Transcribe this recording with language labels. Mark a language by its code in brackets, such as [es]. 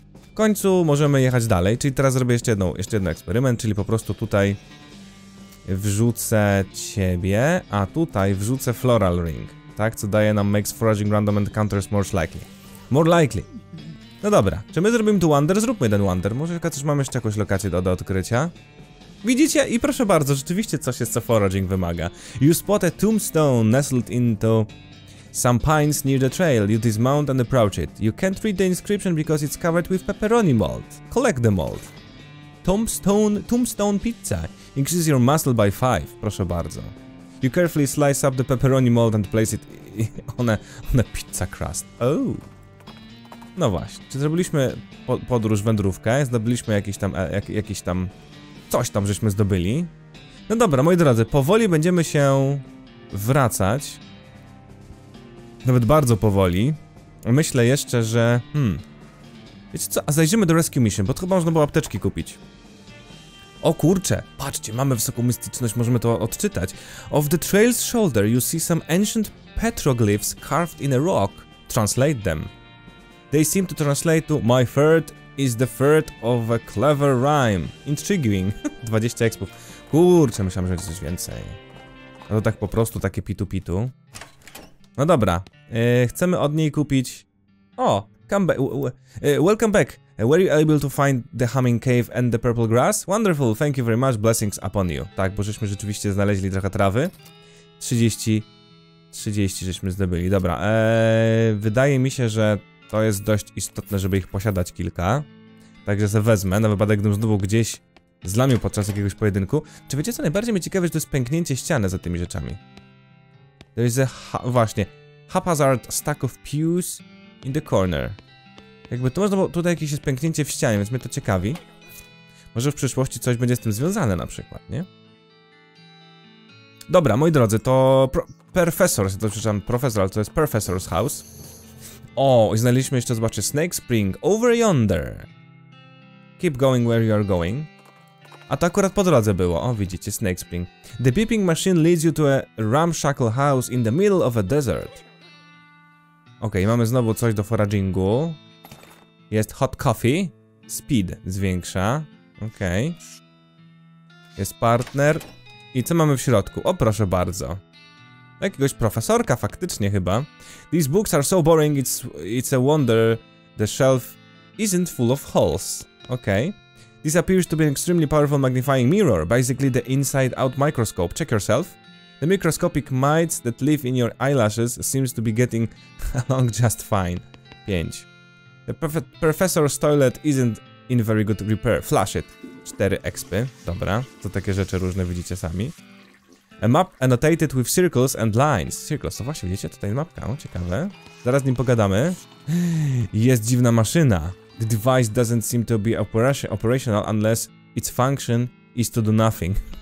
[pl] W końcu możemy jechać dalej, czyli teraz zrobię jeszcze jeden eksperyment, czyli po prostu tutaj wrzucę ciebie, a tutaj wrzucę floral ring, tak, co daje nam [en] makes foraging random encounters more likely. [pl] No dobra, czy my zrobimy tu wonder? Zróbmy ten wonder, może też mamy jeszcze jakąś lokację do odkrycia. Widzicie? I proszę bardzo, rzeczywiście coś jest, co foraging wymaga. [en] You spot a tombstone nestled into Some pines near the trail, you dismount and approach it. You can't read the inscription because it's covered with pepperoni mold. Collect the mold. Tombstone pizza increases your muscle by 5. [pl] Proszę bardzo. [en] You carefully slice up the pepperoni mold and place it on a pizza crust. Oh. [pl] No właśnie, czy zrobiliśmy podróż, wędrówkę, zdobyliśmy jakieś tam, coś tam żeśmy zdobyli. No dobra, moi drodzy, powoli będziemy się wracać, nawet bardzo powoli. Myślę jeszcze, że, wiecie co, a zajrzymy do Rescue Mission, bo to chyba można było apteczki kupić. O kurcze, patrzcie, mamy wysoką mistyczność, możemy to odczytać. [en] Of the trail's shoulder you see some ancient petroglyphs carved in a rock, translate them. They seem to translate to my third is the third of a clever rhyme. Intriguing. 20 expów. [pl] Kurczę, myślałem, że jest coś więcej. No to tak po prostu, takie pitu-pitu. No dobra. Chcemy od niej kupić... [en] O! Welcome back! Were you able to find the humming cave and the purple grass? Wonderful, thank you very much, blessings upon you. [pl] Tak, bo żeśmy rzeczywiście znaleźli trochę trawy. 30 żeśmy zdobyli. Dobra. Wydaje mi się, że... To jest dość istotne, żeby ich posiadać kilka. Także se wezmę, na wypadek gdybym znowu gdzieś zlamił podczas jakiegoś pojedynku. Czy wiecie co, najbardziej mnie ciekawi, że to jest pęknięcie ściany za tymi rzeczami. [en] There is a haphazard stack of pews in the corner. [pl] Jakby to można było tutaj jakieś jest pęknięcie w ścianie, więc mnie to ciekawi. Może w przyszłości coś będzie z tym związane na przykład, nie? Dobra, moi drodzy, to Professor's House. O, i znaleźliśmy jeszcze, zobaczcie, Snake Spring over yonder. [en] Keep going where you are going. [pl] A to akurat po drodze było. O, widzicie, Snake Spring. [en] The beeping machine leads you to a ramshackle house in the middle of a desert. [pl] Okej, mamy znowu coś do foragingu. Jest hot coffee. Speed zwiększa. Okej. Jest partner. I co mamy w środku? O, proszę bardzo. Jakiegoś profesorka, faktycznie chyba. [en] These books are so boring, it's a wonder the shelf isn't full of holes. Okay. This appears to be an extremely powerful magnifying mirror, basically the inside-out microscope. Check yourself. The microscopic mites that live in your eyelashes seems to be getting along just fine. 5. The professor's toilet isn't in very good repair. Flush it. 4 expy. [pl] Dobra, to takie rzeczy różne widzicie sami. [en] A map annotated with circles and lines. [pl] Circles, to właśnie widzicie, tutaj mapka, o, ciekawe. Zaraz z nim pogadamy. Jest dziwna maszyna. [en] The device doesn't seem to be operational unless its function is to do nothing.